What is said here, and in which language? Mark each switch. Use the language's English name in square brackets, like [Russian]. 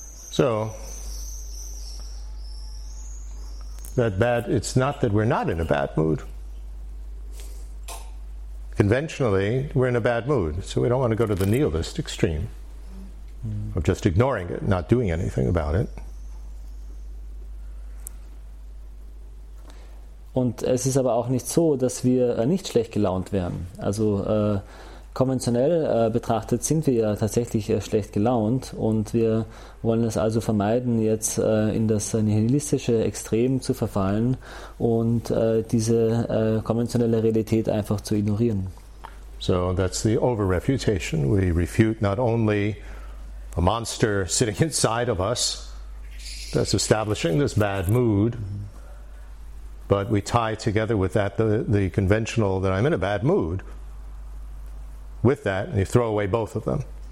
[English] So, that bad, it's not that we're not in a bad mood. Conventionally, we're in a bad mood, so we don't want to go to the nihilist extreme of just ignoring it, not doing anything about it. [German] Und es ist aber auch nicht so, dass wir nicht schlecht gelaunt wären. Also konventionell betrachtet sind wir ja tatsächlich schlecht gelaunt, und wir wollen es also vermeiden, jetzt in das nihilistische Extrem zu verfallen und diese konventionelle Realität einfach zu ignorieren. [English] So that's the over-refutation. We refute not only a monster sitting inside of us that's establishing this bad mood, but we tie together with that the conventional that I'm in a bad mood with that, and you throw away both of them.